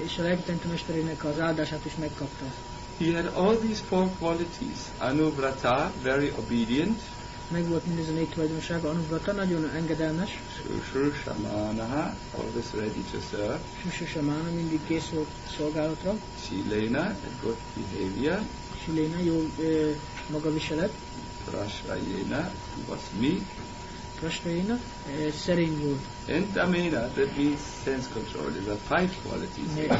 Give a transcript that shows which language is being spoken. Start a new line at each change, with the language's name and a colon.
Hungarian: És a legtöntő mesterének az áldását is megkapta.
English: He had all these four qualities. Anuvrata, very obedient.
Hungarian: Meg volt mindez a négy tulajdonsága. Anuvrata, nagyon engedelmes.
English: Shushushamanaha, always ready to serve.
Hungarian: Shushushamana, mindig kész volt szolgálatra.
English: Silena, a good behavior.
Hungarian: Silena, jó magaviselet.
English: Prashrayena, was meek.
Hungarian: Prashrayena, szerény volt.
English: And Damena, that means sense control. These are five qualities.